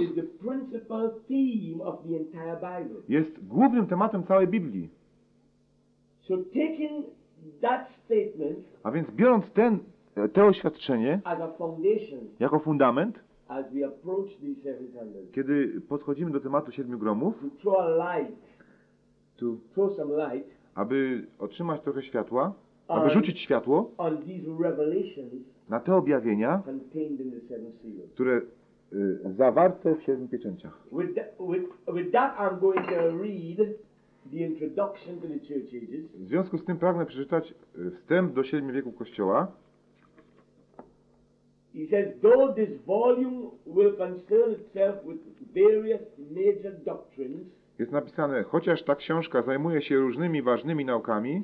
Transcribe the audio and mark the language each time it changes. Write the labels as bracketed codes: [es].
[en] is the principal theme of the entire Bible, [pl] jest głównym tematem całej Biblii. [en] So taking that statement, [pl] a więc biorąc to oświadczenie [en] as a foundation, [pl] jako fundament, [en] as we approach these seven thunders, [pl] kiedy podchodzimy do tematu siedmiu gromów, [en] to throw a light, to throw some light, [pl] aby otrzymać trochę światła, aby rzucić światło [en] on these revelations, [pl] na te objawienia, [en] contained in the seven seals, [pl] które zawarte w siedmiu pieczęciach. [en] With that I'm going to read the introduction to the church ages. [pl] W związku z tym pragnę przeczytać wstęp do siedmiu wieków Kościoła. [en] He says, though this volume will concern itself with various major doctrines, [pl] jest napisane, chociaż ta książka zajmuje się różnymi ważnymi naukami,